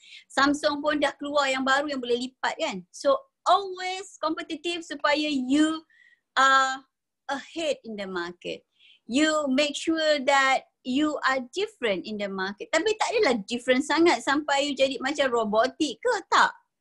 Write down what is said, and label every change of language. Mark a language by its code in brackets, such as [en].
[ms] Samsung pun dah keluar yang baru yang boleh lipat kan. [en] So, always competitive [ms] supaya [en] you are ahead in the market. You make sure that you are different in the market. [ms] Tapi tak adalah different sangat sampai you jadi macam robotik ke tak.